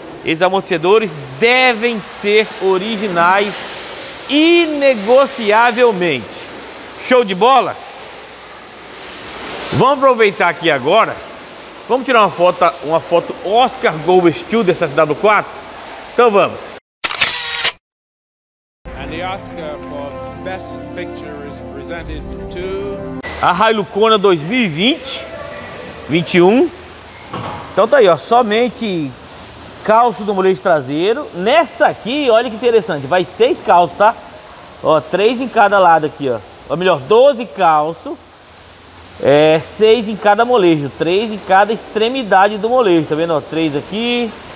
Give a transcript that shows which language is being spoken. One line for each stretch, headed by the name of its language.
Portuguese: Esses amortecedores devem ser originais inegociavelmente. Show de bola? Vamos aproveitar aqui agora. Vamos tirar uma foto Oscar Gold Steel dessa SW4? Então vamos.
English: And the Oscar for best picture is presented to a Hilucona 2020-21.
Portuguese: Então tá aí, ó, somente calço do molejo traseiro. Nessa aqui, olha que interessante, vai 6 calços, tá? Ó, 3 em cada lado aqui, ó. Ou melhor, 12 calços. É, 6 em cada molejo, 3 em cada extremidade do molejo, tá vendo? Ó, 3 aqui.